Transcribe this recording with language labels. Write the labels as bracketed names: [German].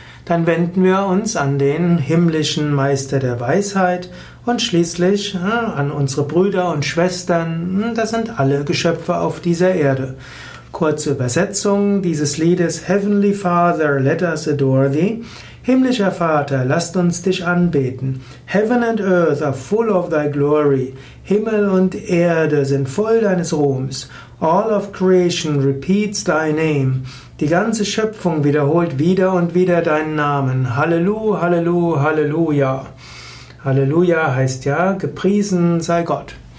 [German] Dann wenden wir uns an den himmlischen Meister der Weisheit und schließlich an unsere Brüder und Schwestern. Das sind alle Geschöpfe auf dieser Erde. Kurze Übersetzung dieses Liedes: [English] Heavenly Father, let us adore thee. [German] Himmlischer Vater, lasst uns dich anbeten. [English] Heaven and earth are full of thy glory. [German] Himmel und Erde sind voll deines Ruhms. [English] All of creation repeats thy name. [German] Die ganze Schöpfung wiederholt wieder und wieder deinen Namen. Halleluja, Halleluja, Halleluja. Halleluja heißt ja, gepriesen sei Gott.